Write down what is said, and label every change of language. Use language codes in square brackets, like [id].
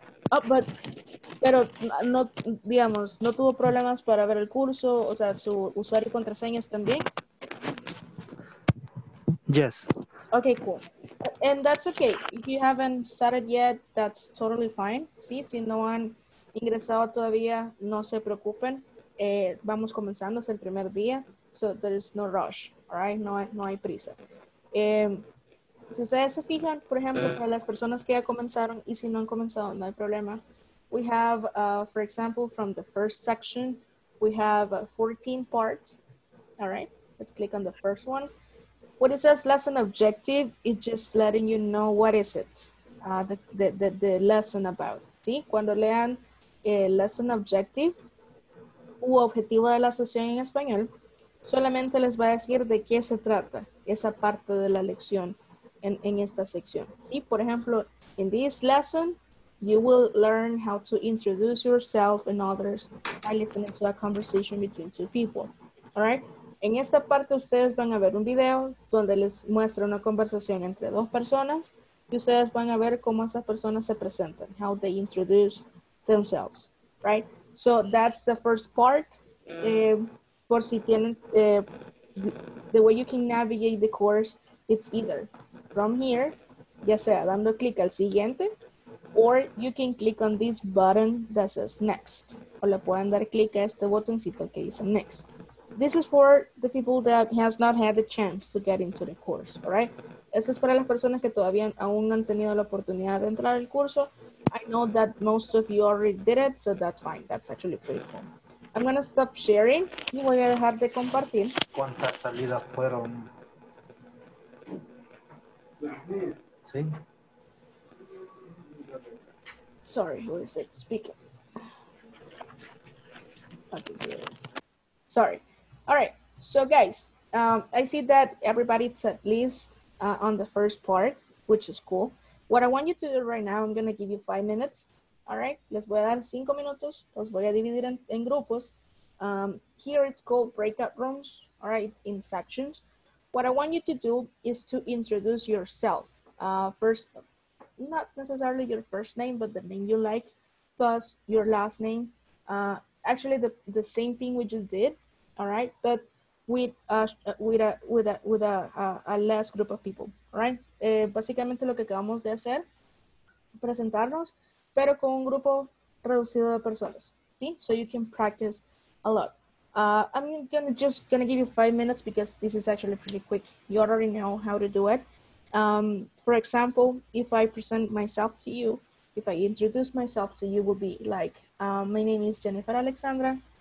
[es] Oh, but, pero no, digamos, no tuvo problemas para ver el curso, o sea, su usuario y contraseñas también. [en] Yes. Okay, cool. And that's okay. If you haven't started yet, that's totally fine. ¿Sí? [es] Si no han ingresado todavía, no se preocupen. Vamos comenzando, es el primer día. So there's no rush, all right? No hay prisa. Si ustedes se fijan, por ejemplo, para las personas que ya comenzaron y si no han comenzado, no hay problema. [en] We have, for example, from the first section, we have 14 parts. All right, let's click on the first one. What it says, lesson objective, is just letting you know what is it, the lesson about. ¿Sí? [es] Cuando lean lesson objective u objetivo de la sesión en español, solamente les va a decir de qué se trata esa parte de la lección en esta sección. ¿Sí? [en] Por ejemplo, in this lesson, you will learn how to introduce yourself and others by listening to a conversation between two people. [es] All right? En esta parte ustedes van a ver un video donde les muestra una conversación entre dos personas y ustedes van a ver cómo esas personas se presentan, how they introduce themselves, right? [en] So that's the first part. Por si tienen, the way you can navigate the course, it's either from here, ya sea dando clic al siguiente, or you can click on this button that says next. [es] O le pueden dar clic a este botoncito que dice next. [en] This is for the people that has not had the chance to get into the course, all right? [es] Esto es para las personas que todavía aún no han tenido la oportunidad de entrar al curso. [en] I know that most of you already did it, so that's fine. That's actually pretty cool. I'm gonna stop sharing y voy a dejar de compartir. [es] ¿Cuántas salidas fueron? ¿Sí? [en] Sorry, who is it speaking? Okay, here it is. Sorry. All right, so guys, I see that everybody's at least on the first part, which is cool. What I want you to do right now, I'm gonna give you 5 minutes. [es] All right, les voy a dar 5 minutos, los voy a dividir en grupos. [en] Here it's called breakout rooms, all right, in sections. What I want you to do is to introduce yourself. First, not necessarily your first name, but the name you like, plus your last name. Actually, the same thing we just did. All right, but with a less group of people, right? [es] Básicamente lo que acabamos de hacer, presentarnos, pero con un grupo reducido de personas, ¿sí? [en] So you can practice a lot. I'm just gonna give you 5 minutes because this is actually pretty quick. You already know how to do it. For example, if I present myself to you, if I introduce myself to you, will be like, my name is Jennifer Alexandra.